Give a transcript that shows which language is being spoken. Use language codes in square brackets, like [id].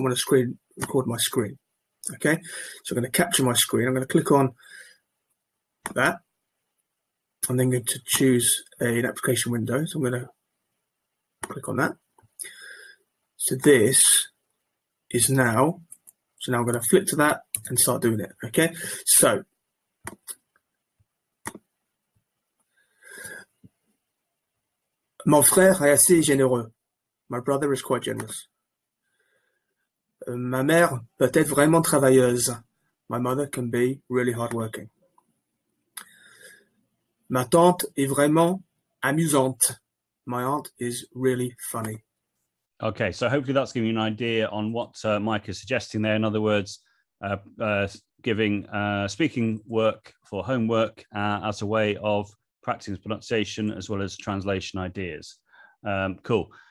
[en] I want to record my screen. Okay, so I'm going to capture my screen. I'm going to click on that. I'm then going to choose an application window. So I'm going to click on that. So this is now. So now I'm going to flip to that and start doing it. Okay, so [fr] mon frère est assez généreux. [en] My brother is quite generous. [fr] Ma mère peut être vraiment travailleuse. [en] My mother can be really hardworking. [fr] Ma tante est vraiment amusante. [en] My aunt is really funny. Okay, so hopefully that's giving you an idea on what Mike is suggesting there. In other words, giving speaking work for homework as a way of practicing pronunciation as well as translation ideas. Cool.